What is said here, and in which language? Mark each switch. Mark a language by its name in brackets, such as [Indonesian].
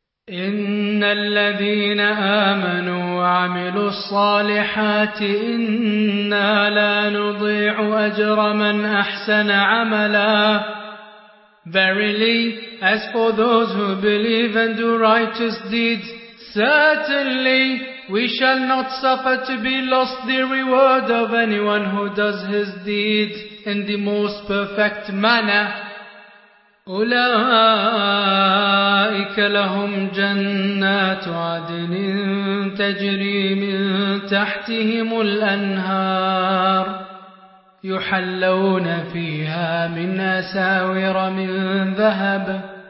[Arabic] إن الذين آمنوا وعملوا الصالحات إنا لا نضيع أجر من أحسن عملا. [English] Verily, as for those who believe and do righteous deeds, certainly we shall not suffer to be lost the reward of anyone who does his deeds in the most perfect manner. [Arabic] أولئك لهم جنات عدن تجري من تحتهم الأنهار يحلون فيها من أساور من ذهب